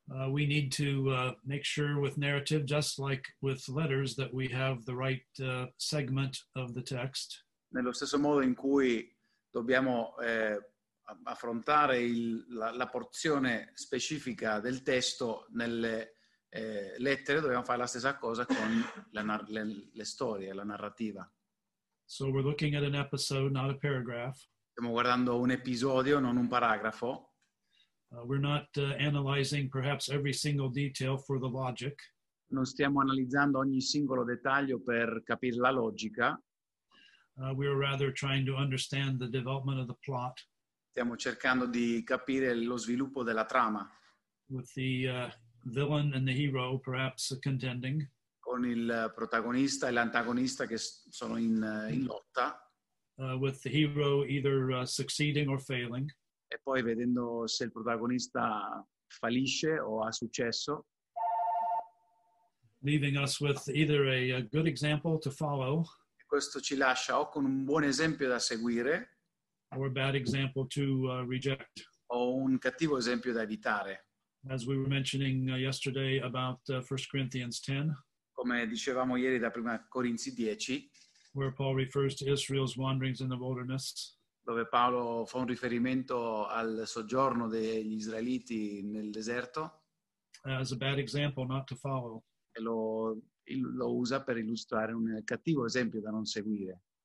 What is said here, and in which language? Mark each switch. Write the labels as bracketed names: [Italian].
[English] We need to make sure with narrative, just like with letters, that we have the right segment of the text. [Italian] Nello stesso modo in cui dobbiamo affrontare il, la, la porzione specifica del testo nelle lettere, dobbiamo fare la stessa cosa con la, le storie, la narrativa. [English] So we're looking at an episode, not a paragraph. [Italian] Stiamo guardando un episodio, non un paragrafo. [English] We're not analyzing perhaps every single detail for the logic. [Italian] Non stiamo analizzando ogni singolo dettaglio per capire la logica. [English] We are rather trying to understand the development of the plot. [Italian] Stiamo cercando di capire lo sviluppo della trama. [English] With the villain and the hero perhaps contending. [Italian] Con il protagonista e l'antagonista che sono in, in lotta. [English] With the hero either succeeding or failing. [Italian] E poi vedendo se il protagonista fallisce o ha successo. [English] Leaving us with either a good example to follow. [Italian] Questo ci lascia o con un buon esempio da seguire [English] or a bad example to, reject. [Italian] O un cattivo esempio da evitare. [English] As we were mentioning yesterday about 1 Corinthians 10, [Italian] come dicevamo ieri da prima Corinzi 10, [English] where Paul refers to Israel's wanderings in the wilderness, [Italian] dove Paolo fa un riferimento al soggiorno degli israeliti nel deserto, [English] as a bad example not to follow. [Italian] E lo lo usa per illustrare un cattivo esempio da non seguire.